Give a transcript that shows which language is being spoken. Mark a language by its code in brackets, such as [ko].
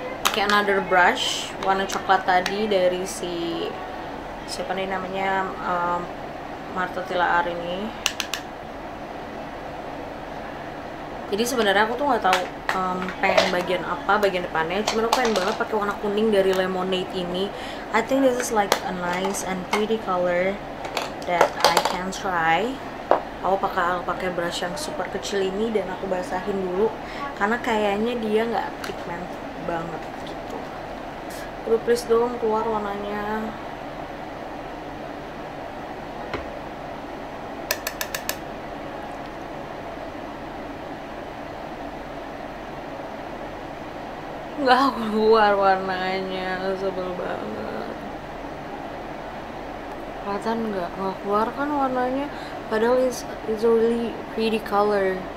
[id] Pake [en] another [id] brush warna coklat tadi dari si siapa nih namanya, Martilaar ini. Jadi sebenarnya aku tuh nggak tahu pengen bagian apa bagian depannya, cuma aku pengen banget pakai warna kuning dari Lemonade ini. [en] I think this is like a nice and pretty color that I can try. [id] Aku pakai brush yang super kecil ini dan aku basahin dulu karena kayaknya dia nggak pigment banget gitu. Aduh, please dong keluar warnanya. Nggak keluar warnanya, sebel banget. Kelihatan nggak keluar kan warnanya? Padahal [en] it's a really pretty color.